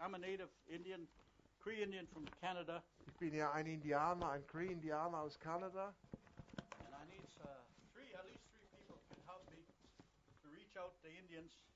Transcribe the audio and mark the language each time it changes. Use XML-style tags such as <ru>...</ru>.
<en>I'm a native Indian, Cree Indian from Canada.</en> <de>Ich bin ja ein Indianer, ein Cree Indianer aus Kanada.</de> <en>And I need at least three people can help me to reach out the Indians.</en>